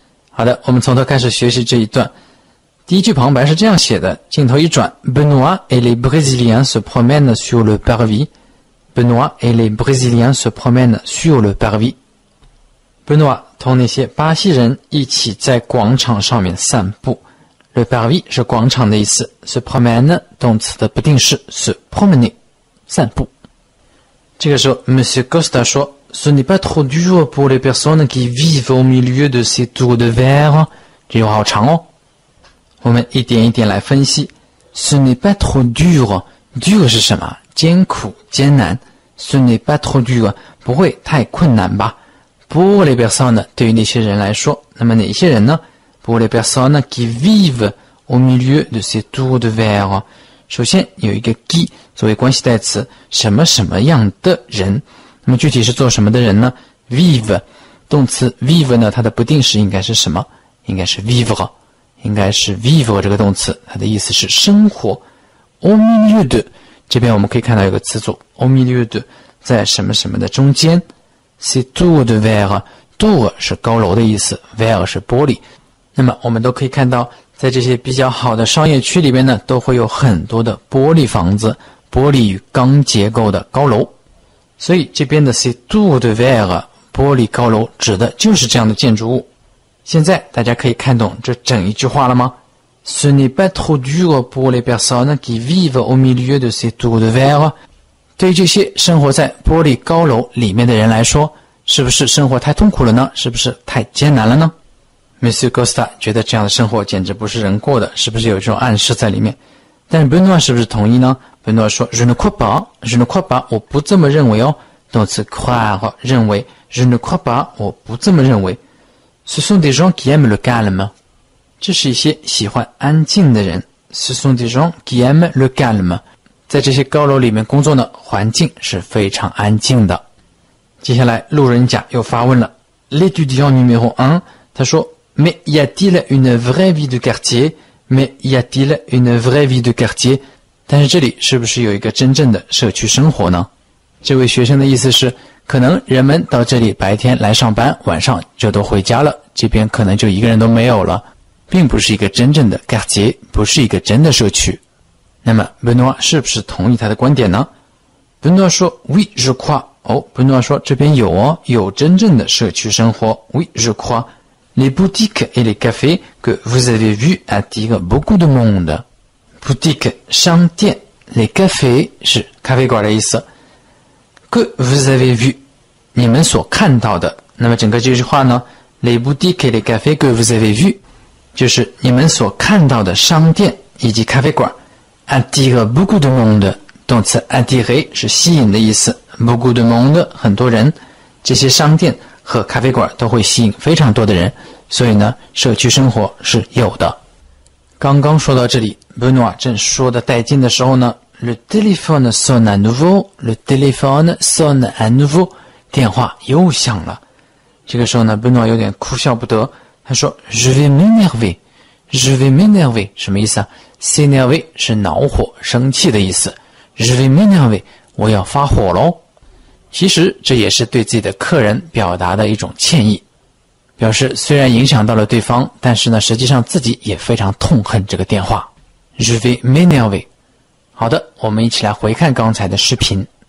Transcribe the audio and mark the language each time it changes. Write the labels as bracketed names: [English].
[Chinese] 好的，我们从头开始学习这一段。第一句旁白是这样写的，镜头一转， [French] Benoît et les Brésiliens se promènent sur le parvis. Benoît et les Brésiliens se promènent sur le parvis. [Chinese] Benoît同那些巴西人一起在广场上面散步。 [French] Le parvis [Chinese] 是广场的意思， [French] se promène [Chinese] 动词的不定式， [French] se promener [Chinese] 散步。这个时候 [French] Monsieur Costa 说， Ce n'est pas trop dur pour les personnes qui vivent au milieu de ces tours de verre. [Chinese] 这句话好长哦。我们一点一点来分析。 [French] Ce n'est pas trop dur. Dur [Chinese] 是什么？艰苦艰难。 [French] Ce n'est pas trop dur， [Chinese] 不会太困难吧。 [French] Pour les personnes， [Chinese] 对于那些人来说。那么哪些人呢？ [French] Pour les personnes qui vivent au milieu de ces tours de verre。 [Chinese] 首先有一个 qui 作为关系代词， 什么什么样的人。那么具体是做什么的人呢？Vive， 动词 vive 呢， 它的不定式应该是什么？应该是 vivre， 应该是 vivre 这个动词， 它的意思是生活。 Au milieu de， 这边我们可以看到一个词组 [French] au milieu de， [Chinese] 在什么什么的中间。 [French] C'est tour de verre， tour [Chinese] 是高楼的意思， [French] verre [Chinese] 是玻璃。那么我们都可以看到， 在这些比较好的商业区里面呢， 都会有很多的玻璃房子， 玻璃钢结构的高楼。所以这边的 [French] c'est tour de verre， [Chinese] 玻璃高楼， 指的就是这样的建筑物。现在大家可以看懂这整一句话了吗？ [French] Ce n'est pas trop dur pour les personnes qui vivent au milieu de ces tours de verre。 [Chinese] 对于这些生活在玻璃高楼里面的人来说， 是不是生活太痛苦了呢？是不是太艰难了呢？Monsieur Costa 觉得这样的生活简直不是人过的， 是不是有这种暗示在里面？但是Benoît是不是同意呢？ [French] Benoît说， Je ne crois pas， Je ne crois pas， [Chinese] 我不这么认为哦。动词 croire， 认为， [French] Je ne crois pas， [Chinese] 我不这么认为。 [French] Ce sont des gens qui aiment le calme， [Chinese] 这是一些喜欢安静的人。 [French] Ce sont des gens qui aiment le calme， [Chinese] 在这些高楼里面工作呢， 环境是非常安静的。接下来路人甲又发问了， [French] L'étudiant numéro 1， 他说， Mais y a-t-il une vraie vie de quartier？ Mais y a-t-il une vraie vie de quartier？ [Chinese] 但是这里是不是有一个真正的社区生活呢？这位学生的意思是， 可能人们到这里白天来上班， 晚上就都回家了， 这边可能就一个人都没有了， 并不是一个真正的quartier， 不是一个真的社区。那么Benoît是不是同意他的观点呢？ [French] Benoît说， Oui, je crois。 [Chinese] 哦， Benoît说这边有哦， 有真正的社区生活。 [French] Oui, je crois。 Les boutiques et les cafés que vous avez vus attirent beaucoup de monde。 [Chinese] Boutique 商店， [French] Les cafés [Chinese] 是咖啡馆的意思。 [French] Que vous avez vu， [Chinese] 你们所看到的。那么整个这句话呢， [French] Les boutiques et les cafés que vous avez vu， [Chinese] 就是你们所看到的商店以及咖啡馆。 [French] Attire beaucoup de monde， 动词 attirer [Chinese] 是吸引的意思。 [French] Beaucoup de monde， [Chinese] 很多人。这些商店和咖啡馆都会吸引非常多的人， 所以呢， 社区生活是有的。刚刚说到这里， Benoît 正说的带劲的时候呢， [French] Le téléphone sonne à nouveau， [Chinese] Le téléphone sonne à nouveau， 电话又响了。这个时候呢， Benoît 有点哭笑不得， 他说， [French] Je vais m'énerver， [Chinese] Je vais m'énerver， 什么意思啊？ S'énerver 是恼火， 生气的意思。 [French] Je vais m'énerver， [Chinese] 我要发火咯。其实这也是对自己的客人表达的一种歉意， 表示虽然影响到了对方， 但是呢， 实际上自己也非常痛恨这个电话。 [French] Je vais m'énerver。 [Chinese] 好的， 我们一起来回看刚才的视频。